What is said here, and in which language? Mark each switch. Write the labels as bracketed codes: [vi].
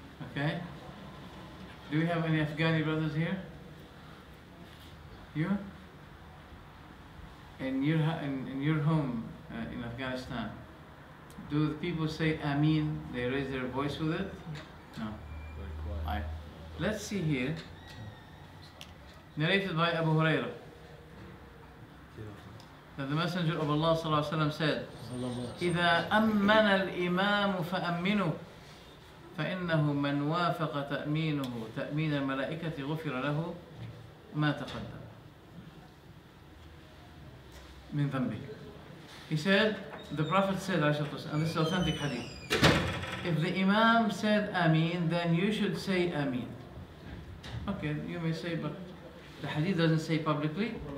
[en] Okay? Do we have any Afghani brothers here? You? In your home in Afghanistan, do the people say Amin, they raise their voice with it? No. Very quiet. Let's see here. narrated by Abu Huraira, that the Messenger of Allah sallallahu alaihi wasallam said, [ar] إِذَا أَمَّنَ الْإِمَامُ فَأَمِّنُهُ فَإِنَّهُ مَنْ وَافَقَ تَأْمِينُهُ تَأْمِينَ الْمَلَائِكَةِ غُفِرَ لَهُ مَا تَقَدَّمَ مِنْ ذَنْبِهِ. [en] He said, the Prophet said, and this is authentic hadith, if the Imam said Ameen, then you should say Ameen. Okay, you may say, but the hadith doesn't say publicly.